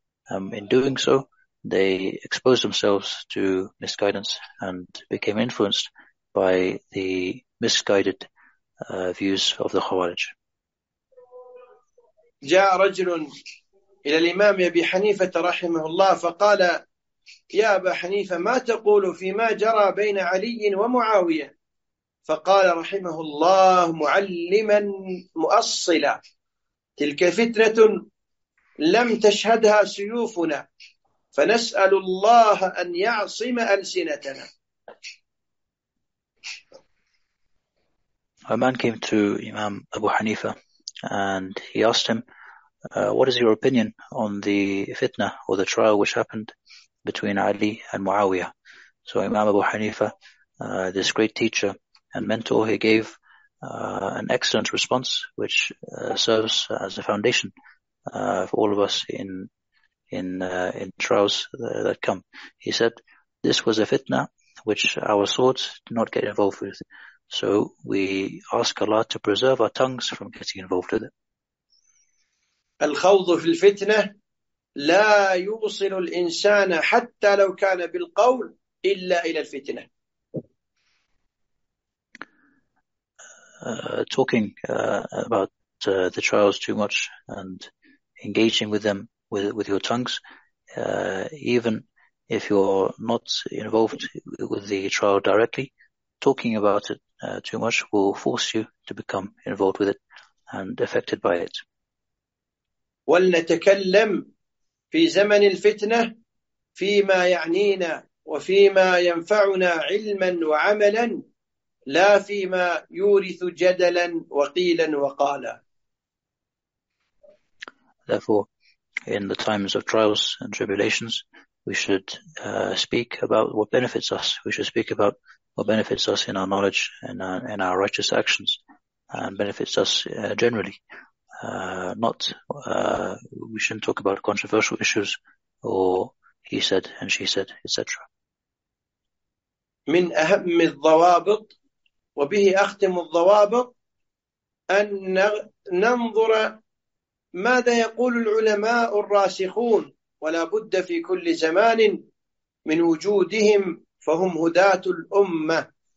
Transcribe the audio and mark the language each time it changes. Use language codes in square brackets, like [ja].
[en] In doing so, they exposed themselves to misguidance and became influenced by the misguided views of the Khawarij. [ar] جاء رجل إلى الإمام أبي حنيفة رحمه الله فقال يا أبا حنيفة ما تقول فيما جرى بين علي ومعاوية؟ فقال رحمه الله معلما مؤصلا تلك فتنة لم تشهدها سيوفنا فنسأل الله أن يعصم ألسنتنا. [en] A man came to Imam Abu Hanifa and he asked him, what is your opinion on the fitna or the trial which happened between Ali and Muawiyah? So Imam Abu Hanifa, this great teacher and mentor, he gave an excellent response, which serves as a foundation for all of us in trials that come. He said, this was a fitna which our swords did not get involved with. So we ask Allah to preserve our tongues from getting involved with it. [ar] الخوض في الفتنة لا يوصل الإنسان حتى لو كان بالقول إلا إلى الفتنة. [en] Talking about the trials too much and engaging with them with your tongues, even if you're not involved with the trial directly, talking about it too much will force you to become involved with it and affected by it. [ar] ولنتكلم في زمن الفتنة فيما يعنينا وفيما ينفعنا علما وعملا لا فيما يورث جدلا وقيلا وقالا. [en] Therefore, in the times of trials and tribulations, we should speak about what benefits us. We should speak about what benefits us in our knowledge and in our righteous actions and benefits us generally. We shouldn't talk about controversial issues or he said and she said, etc. [ar] من أهم الضوابط وبه أختم الضوابط أن ننظر ماذا يقول العلماء الراسخون ولا بد في كل زمان من وجودهم فهم هداة الأمة.